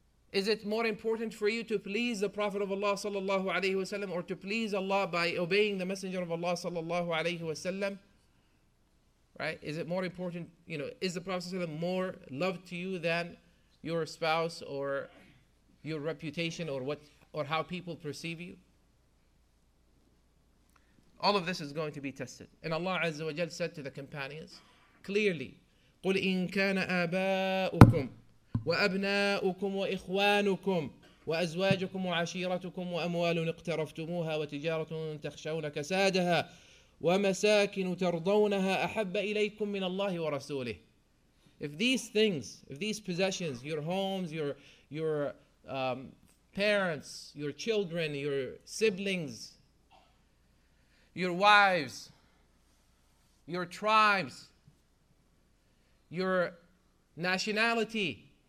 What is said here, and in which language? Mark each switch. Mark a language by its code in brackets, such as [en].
[en] Is it more important for you to please the Prophet of Allah sallallahu alayhi wa sallam, or to please Allah by obeying the Messenger of Allah sallallahu alayhi wa sallam? Right? Is it more important, is the Prophet sallallahu alayhi wa sallam more loved to you than your spouse or your reputation or how people perceive you? All of this is going to be tested. And Allah Azza wa Jal said to the companions, clearly, [ar] قُلْ إِن كَانَ آبَاؤُكُمْ وَأَبْنَاؤُكُمْ وَإِخْوَانُكُمْ وَأَزْوَاجُكُمْ وَعَشِيرَتُكُمْ وَأَمْوَالٌ اقْتَرَفْتُمُوهَا وَتِجَارَةٌ تَخْشَوْنَ كَسَادَهَا وَمَسَاكِنُ تَرْضَوْنَهَا أَحَبَّ إِلَيْكُمْ مِنَ اللَّهِ وَرَسُولِهِ. [en] If these things, if these possessions, your homes, your parents, your children, your siblings, your wives, your tribes, your nationality.